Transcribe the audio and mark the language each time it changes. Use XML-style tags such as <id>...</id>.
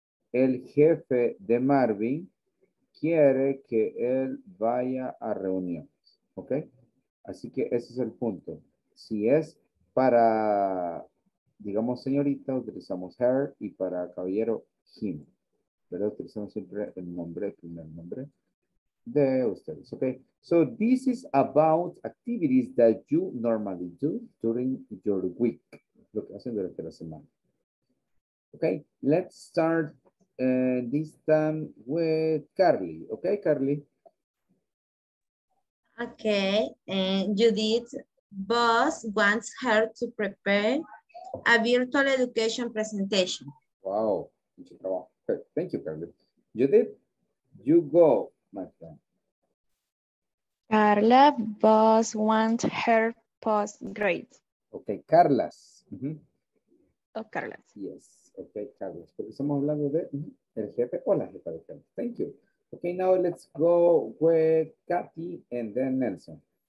<es>El jefe de Marvin quiere que él vaya a reuniones, ¿ok? Así que ese es el punto. Si es para, digamos, señorita, utilizamos her, y para caballero, him, ¿verdad? Utilizamos siempre el nombre, el primer nombre de ustedes, ¿ok?</es> <en>So this is about activities that you normally do during your week,</en> <es>lo que hacen durante la semana.</es> <en>¿Ok? Let's start. And this time with Carly. Okay, Carly. Okay. And Judith, boss wants her to prepare a virtual education presentation. Wow. Thank you, Carly. Judith, you go, my friend. Carla, boss wants her post grade. Okay, Carlas. Mm-hmm. Oh, Carlas. Yes.</en> <es>Okay, Carlos, porque estamos hablando de el jefe o la jefa de jefe.</es> <en>Thank you. Okay, now let's go with Kathy and then Nelson.</en>